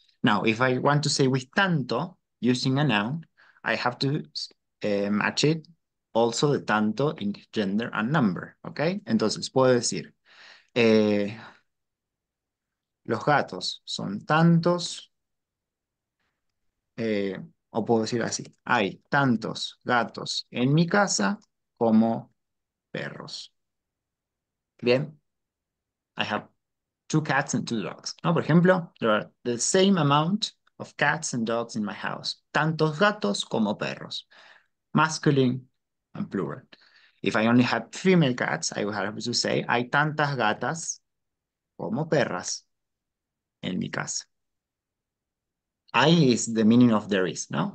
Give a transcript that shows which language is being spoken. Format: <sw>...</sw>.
<en>Now, if I want to say with tanto, using a noun, I have to match it also the tanto in gender and number, okay?</en> <es>Entonces, puedo decir, los gatos son tantos, o puedo decir así, hay tantos gatos en mi casa como perros.</es> <en>Bien, I have two cats and two dogs, ¿no?</en> <es>Por ejemplo,</es> <en>there are the same amount of cats and dogs in my house.</en> <es>Tantos gatos como perros.</es> <en>Masculine and plural. If I only had female cats, I would have to say,</en> <es>hay tantas gatas como perras en mi casa.</es> <en>I is the meaning of there is, no?</en>